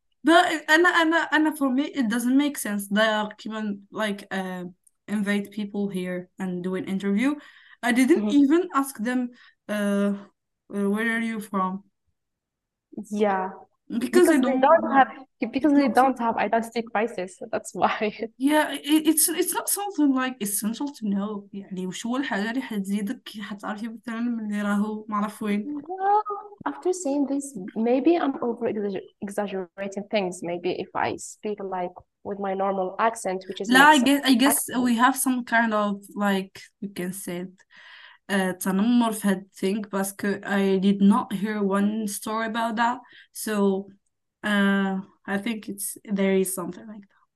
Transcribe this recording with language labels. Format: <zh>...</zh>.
<en>But Anna, for me, it doesn't make sense. They are even like invite people here and do an interview. I didn't even ask them, where are you from? Yeah, Because I don't know. Because they don't have identity crisis. That's why. Yeah, it's not something like essential to know.</en> <ar>يعني وشو الحاجة اللي حتزيدك حتعرفي مثلا من اللي راهو ما عرف وين.</ar> <en>After saying this, maybe I'm over exaggerating things. Maybe if I speak like with my normal accent, which is</en> <ar>لا</ar> <en>Mexican I guess accent. we have some kind of like you can say it</en> <ar>تنمر في هاد</ar> <en>thing</en> <ar>باسكو</ar> <en>I did not hear one story about that so I think it's there is something like that</en>